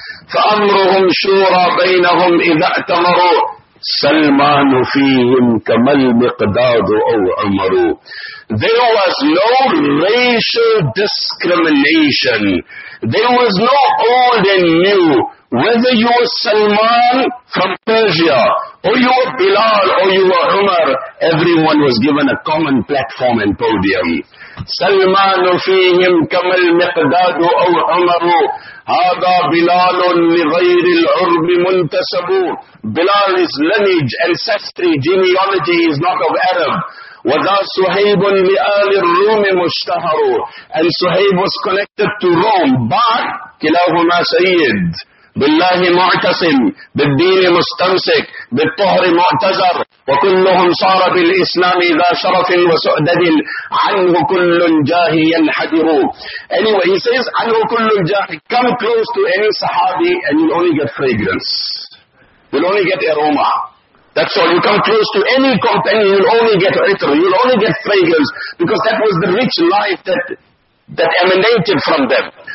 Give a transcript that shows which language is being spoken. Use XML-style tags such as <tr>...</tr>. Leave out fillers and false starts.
<ar>فَأَمْرُهُمْ شُورَى بَيْنَهُمْ إِذَا أَتَمَرُوا سَلْمَانُ فِيهِمْ كَمَ الْمِقْدَادُ أَوْ عَمَرُوا</ar> <en>There was no racial discrimination. There was no old and new. Whether you were Salman from Persia, or you were Bilal, or you were Umar, everyone was given a common platform and podium.</en> <ar>سَلْمَانُ فِيهِمْ كَمَ الْمِقْدَادُ أَوْ عَمَرُوا هَذَا بِلَالٌ لِغَيْرِ الْعُرْبِ مُنْتَسَبُ</ar> <en>Bilal is lineage, ancestry, genealogy, is not of Arab.</en> <ar>وَذَا سُحَيْبٌ لِآلِ الرُّومِ مُشْتَهَرُ.</ar> <en>And Suhaib was connected to Rome, but</en> <ar>كِلَاهُمَا سَيِّد بِاللَّهِ مُعْتَصِمْ بِالدِّينِ مُسْتَمْسِكْ بِالطُّهْرِ مُعْتَزَرْ وَكُلُّهُمْ صَارَ بِالْإِسْلَامِ ذَا شَرَفٍ وَسُعْدَدٍ عَنْهُ كُلُّ الْجَاهِ يَنْحَدِرُ.</ar> <en>Anyway, he says,</en> <ar>عَنْهُ كُلُّ الْجَاهِ.</ar> <en>Come close to any Sahabi and you'll only get fragrance. You'll only get aroma. That's all. You come close to any companion, you'll only get itr, you'll only get fragrance, because that was the rich life that emanated from them.</en>